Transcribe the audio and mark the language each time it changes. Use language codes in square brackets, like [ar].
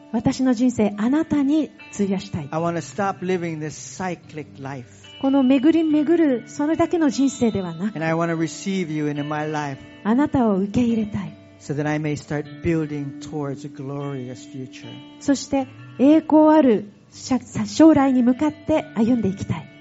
[ja] 私の人生あなたに費やしたい。 [en] I want to stop living this cyclic life. [ja] この巡り巡るそれだけの人生ではなく、 [en] And I want to receive you into my life. [ja] あなたを受け入れたい。 [en] So that I may start building towards a glorious future. [ja] そして栄光ある将来に向かって歩んでいきたい。